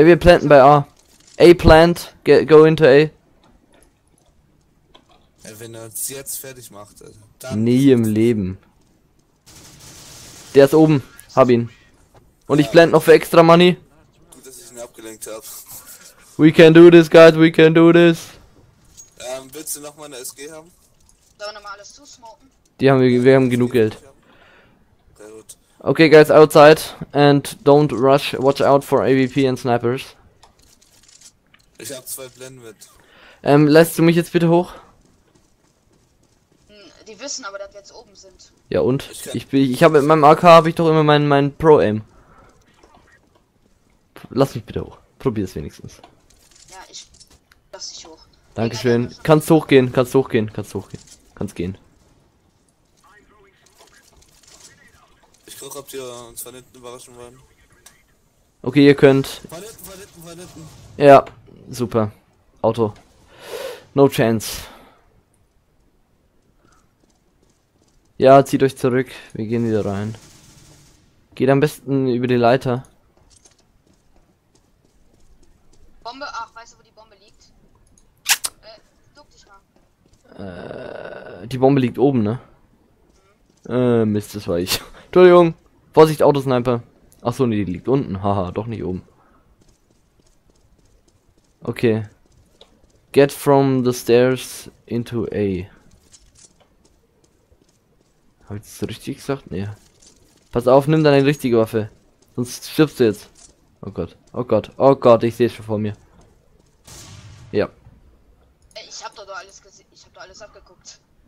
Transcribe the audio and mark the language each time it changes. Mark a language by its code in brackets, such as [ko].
[de] Ja, wir planten bei A. [en] A plant, go into A. [de] Ja, wenn er uns jetzt fertig macht, dann. Nie im Leben. Der ist oben. Hab ihn. Und ja. Ich plant noch für extra Money. Gut, dass ich ihn abgelenkt hab. [en] We can do this, guys, we can do this. [de] Willst du nochmal eine SG haben? Sollen wir nochmal alles zusmoken? Die haben wir, ja, wir haben genug Geld. Sehr gut. [en] Okay, guys, outside. And don't rush. Watch out for AVP and snipers. [de] Ich hab zwei Blenden mit. Lässt du mich jetzt bitte hoch? Die wissen aber, dass wir jetzt oben sind. Ja und? Ich habe mit meinem AK habe ich doch immer meinen Pro-Aim. Lass mich bitte hoch. Probier es wenigstens. Ja, ich lass dich hoch. Dankeschön. Kannst hochgehen, kannst hochgehen, kannst hochgehen. Kannst gehen. Ich guck, ob die uns von hinten überraschen wollen. Okay, ihr könnt. Von hinten. Ja, super. Auto. [en] No chance. [de] Ja, zieht euch zurück. Wir gehen wieder rein. Geht am besten über die Leiter. Bombe, ach, weißt du, wo die Bombe liegt? Duck dich mal. Die Bombe liegt oben, ne? Mist, das war ich. Entschuldigung. Vorsicht, Autosniper. Ach so, nee, die liegt unten. Haha, doch nicht oben. Okay. [en] Get from the stairs into A. [de] Hab ich das so richtig gesagt? Nee. Pass auf, nimm deine richtige Waffe. Sonst stirbst du jetzt. Oh Gott. Oh Gott. Oh Gott, ich sehe es schon vor mir. Ja. Ich hab doch alles gesehen. Ich hab doch alles abgeguckt.